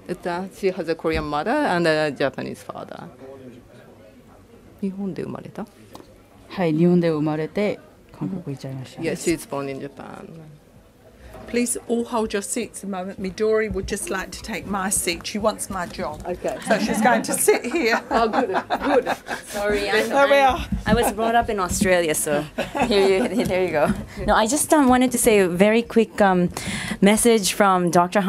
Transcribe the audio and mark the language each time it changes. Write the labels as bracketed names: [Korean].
[English] She has a Korean mother and a Japanese father. [Japanese] 日本で生まれた？はい、日本で生まれて韓国行っちゃいました。 [English] Yes, she's born in Japan. Please all hold your seats a moment. Midori would just like to take my seat. She wants my job. Okay. So she's going to sit here. Oh, good. Good. Sorry. There we are. I was brought up in Australia, so there you go. No, I just wanted to say a very quick message from Dr.